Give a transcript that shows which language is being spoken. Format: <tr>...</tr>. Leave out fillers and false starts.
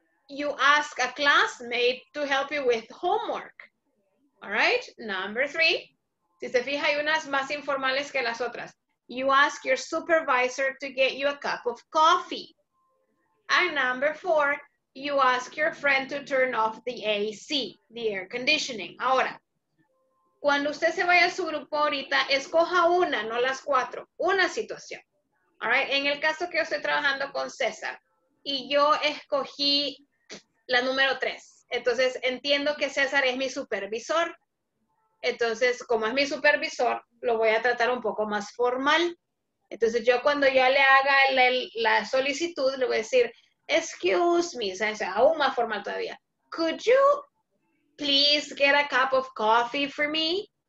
<en>You ask a classmate to help you with homework. All right, number 3.</en> <es>Si se fija, hay unas más informales que las otras.</es> <en>You ask your supervisor to get you a cup of coffee. And number 4, you ask your friend to turn off the AC, the air conditioning.</en> <es>Ahora, cuando usted se vaya a su grupo ahorita, escoja una, no las 4, una situación.</es> <en>All right?</en> <es>En el caso que yo estoy trabajando con César, y yo escogí la número 3. Entonces, entiendo que César es mi supervisor. Entonces, como es mi supervisor, lo voy a tratar un poco más formal. Entonces, yo cuando ya le haga la solicitud, le voy a decir,</es> <en>excuse me,</en> <es>o sea, aún más formal todavía.</es> <en>Could you please get a cup of coffee for me?</en>